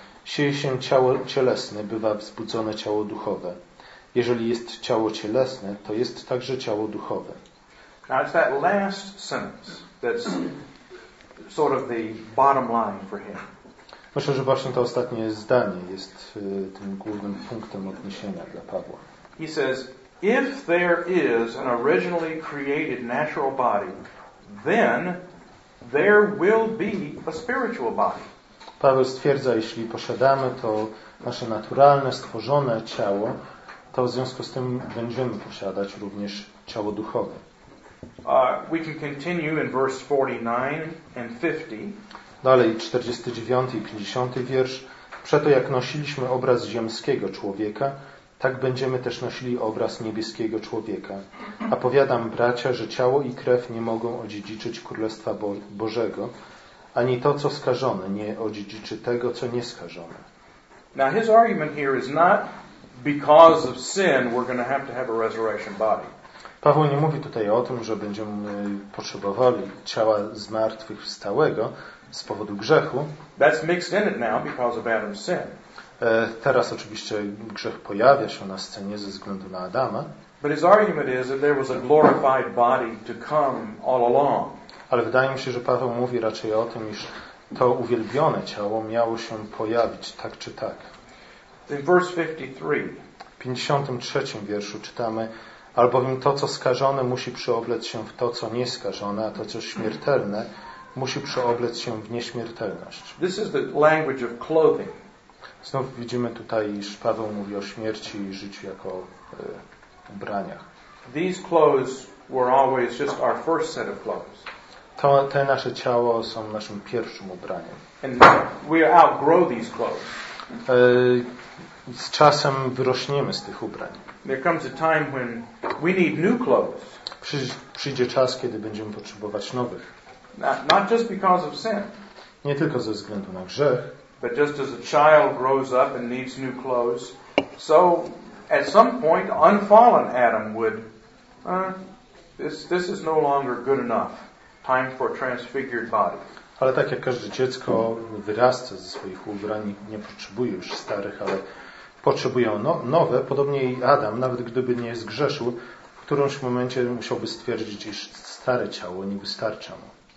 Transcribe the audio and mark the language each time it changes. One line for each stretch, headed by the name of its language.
Polish: Sieje się ciało cielesne, bywa wzbudzone ciało duchowe. Jeżeli jest ciało cielesne, to jest także ciało duchowe.
English: Now it's that last sentence that's sort of the bottom line for him.
Polish: Myślę, że właśnie to ostatnie zdanie jest tym głównym punktem odniesienia dla Pawła.
English: He says, if there is an originally created natural body, then there will be a spiritual body.
Polish: Paweł stwierdza, jeśli posiadamy to nasze naturalne, stworzone ciało, to w związku z tym będziemy posiadać również ciało duchowe.
English: We can continue in verse 49 and 50.
Polish: Dalej 49 i 50 wiersz. Przeto jak nosiliśmy obraz ziemskiego człowieka, tak będziemy też nosili obraz niebieskiego człowieka. A powiadam, bracia, że ciało i krew nie mogą odziedziczyć Królestwa Bożego, ani to, co skażone, nie odziedziczy tego, co nieskażone.
English: Now his argument here is not because of sin we're going to have a resurrection body.
Polish: Paweł nie mówi tutaj o tym, że będziemy potrzebowali ciała zmartwychwstałego z powodu grzechu.
English: That's mixed in it now because of Adam's sin.
Polish: Teraz oczywiście grzech pojawia się na scenie ze względu na Adama.
English: But his argument is that there was a glorified body to come all along.
Polish: Ale wydaje mi się, że Paweł mówi raczej o tym, iż to uwielbione ciało miało się pojawić tak czy tak.
English: In verse 53.
Polish: W 53 wierszu czytamy: albowiem to, co skażone, musi przyoblec się w to, co nieskażone, a to, co śmiertelne, musi przyoblec się w nieśmiertelność.
English: This is the language of clothing.
Polish: Znów widzimy tutaj, iż Paweł mówi o śmierci i życiu jako ubraniach.
English: These clothes were always just our first set of clothes.
Polish: Te nasze ciało są naszym pierwszym ubraniem.
English: And we outgrow these clothes.
Polish: Z czasem wyrośniemy z tych ubrań.
English: There comes a time when we need new clothes.
Polish: Przyjdzie czas, kiedy będziemy potrzebować nowych.
English: Not just because of sin.
Polish: Nie tylko ze względu na grzech.
English: But just as a child grows up and needs new clothes, so at some point unfallen Adam would this is no longer good enough. Time for a transfigured body.
Polish: Ale tak jak każde dziecko wyrasta ze swoich ubrań, nie potrzebuje już starych, ale potrzebuje nowe, podobnie i Adam, nawet gdyby nie zgrzeszył, w którymś momencie musiałby stwierdzić, iż stare ciało nie wystarcza mu.